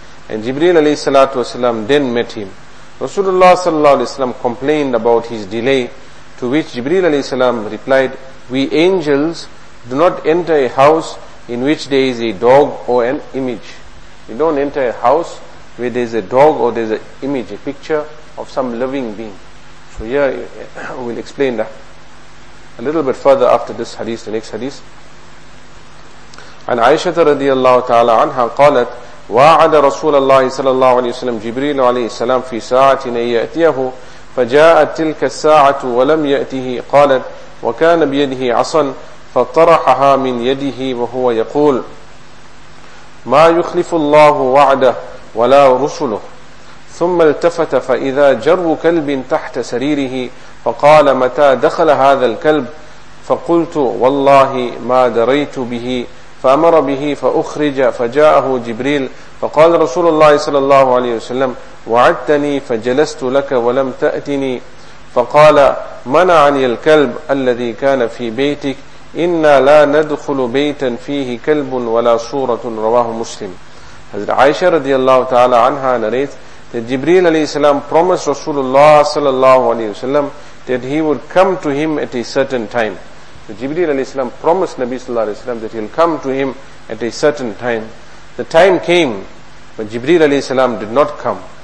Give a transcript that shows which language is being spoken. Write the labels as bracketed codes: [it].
[en] And Jibreel alayhi salatu wa sallam then met him. Rasulullah sallallahu alayhi wa sallam complained about his delay, to which Jibreel alayhi salam replied, we angels do not enter a house in which there is a dog or an image. We don't enter a house where there is a dog or there is an image, a picture of some living being. So here we'll explain that a little bit further after this hadith, the next hadith. [ar] And Aisha radiallahu ta'ala anha qalat, wa'ada Rasulullah sallallahu alayhi wa sallam Jibreel alayhi salam fi sa'atina ya'tiyahu faja'at tilka sa'atu wa lam ya'tihi qalat wa kana biyadihi asan fattarahaha min yadihi wa huwa yaqul ma yukhlifu Allahu wa'adah ولا رسله ثم التفت فإذا جر كلب تحت سريره فقال متى دخل هذا الكلب فقلت والله ما دريت به فأمر به فأخرج فجاءه جبريل فقال رسول الله صلى الله عليه وسلم وعدتني فجلست لك ولم تأتني فقال منعني الكلب الذي كان في بيتك إنا لا ندخل بيتا فيه كلب ولا صورة. رواه مسلم. [en] Hazrat Aisha radiallahu ta'ala anha narrates that Jibreel alayhi salam promised Rasulullah sallallahu alayhi wa sallam that he would come to him at a certain time. So Jibreel alayhi salam promised Nabi sallallahu alayhi wa sallam that he'll come to him at a certain time. The time came, but Jibreel alayhi salam did not come.